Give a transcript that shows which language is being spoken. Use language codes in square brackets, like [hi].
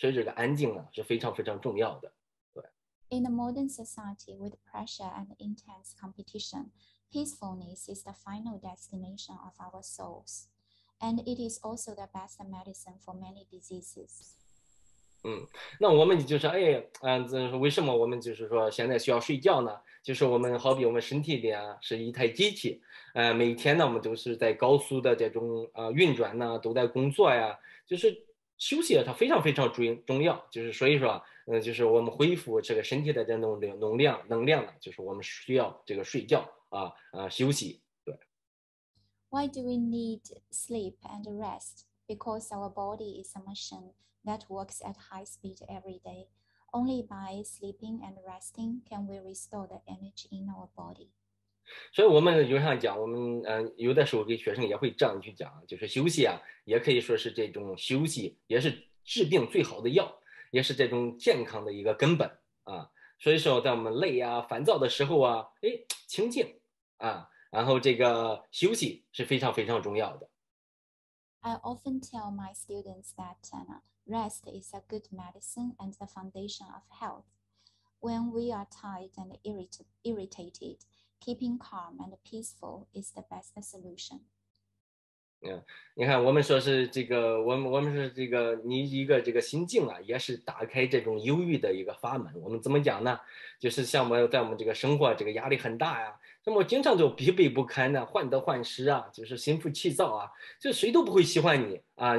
[zh] 然后说，在高压社会，我们现在特别来讲的话，在现在的这个高压社会，就是这个压力非常大呀，就是怎么说，安静呢，也能成为我们这种灵魂啊，灵魂这种归宿，就是就是这个安静呢，同时呀，也能治好啊很多这种，就是我们自己心里这种疾病，所以这个安静呢是非常非常重要的。In [en] the modern society with pressure and intense competition, peacefulness is the final destination of our souls. And it is also the best medicine for many diseases. [zh] 那我们就是说，为什么我们就是说现在需要睡觉呢？就是我们好比我们身体里啊是一台机器，每天呢我们都是在高速的这种运转呢，都在工作呀，就是休息它非常非常重要。就是所以说，就是我们恢复这个身体的这种能量，就是我们需要这个睡觉。休息。对。 [en] Why do we need sleep and rest? Because our body is a machine that works at high speed every day. Only by sleeping and resting can we restore the energy in our body. [zh] 所以我们就像讲，我们有的时候给学生也会这样去讲，就是休息啊，也可以说是这种休息也是治病最好的药，也是这种健康的一个根本啊。所以说，在我们累啊、烦躁的时候啊，哎，清静啊，然后这个休息是非常非常重要的。 [en] I often tell my students that rest is a good medicine and the foundation of health. When we are tired and irritated, keeping calm and peaceful is the best solution. [zh] Yeah, 你看，我们说是这个，我们是这个，你一个这个心境啊，也是打开这种忧郁的一个阀门。我们怎么讲呢？就是像我们在我们这个生活这个压力很大呀、啊。那么经常就疲惫不堪的患得患失啊，就是心浮气躁啊，就谁都不会喜欢你啊。